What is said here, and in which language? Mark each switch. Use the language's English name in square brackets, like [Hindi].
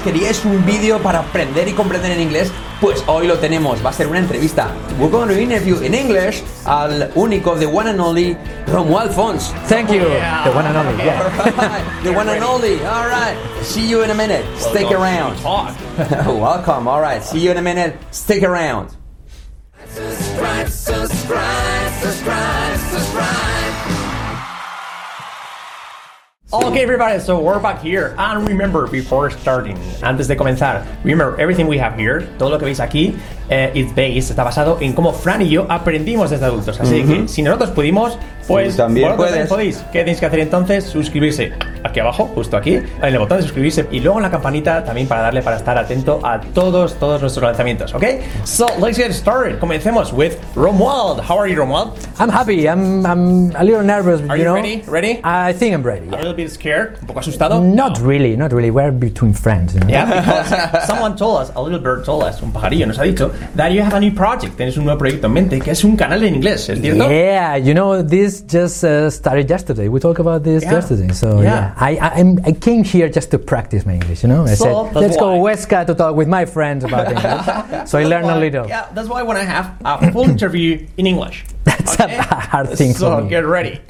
[Spanish] ¿Querías un vídeo para aprender y comprender en inglés? Pues hoy lo tenemos, va a ser una entrevista. [English] We're going to interview in English [Spanish] al único, [English] the one and only, Romuald Fons. Thank you, the one and only, yeah. The one and only, all right. See you in a minute, stick around. Welcome, all right, see you in a minute, stick around. Okay, everybody, so we're back here. And remember, before starting, [Spanish] antes de comenzar, [English] remember, everything we have here, [Spanish] todo lo que veis aquí, [English] it's based, [Spanish] está basado en cómo Fran y yo aprendimos desde adultos. Así que, si nosotros pudimos, pues, también podéis. ¿Qué tenéis que hacer entonces? Suscribirse aquí abajo, justo aquí, en el botón de suscribirse. Y luego en la campanita también para darle, para estar atento a todos nuestros lanzamientos, ¿ok? [English] So, let's get started. [Spanish] Comencemos [English] with Romuald. How are you, Romuald? I'm happy. I'm a little nervous, you know. Are you ready? Ready? I think I'm ready, yeah. A little bit scared? [Spanish] ¿Un poco asustado? [English] Not really. We're between friends, you know? Yeah, because someone told us, a little bird told us, [Spanish] un pajarillo nos ha dicho, [English] that you have a new project. [Spanish] Tienes un nuevo proyecto en mente, que es un canal en inglés, ¿es cierto? [English] Yeah, you know, this just started yesterday. We talked about this yesterday, so I came here just to practice my English, you know. I said, let's go Huesca to talk with my friends about English. So I learned a little. Yeah, that's why I want to have a full interview in English. That's a hard thing for me. So get ready.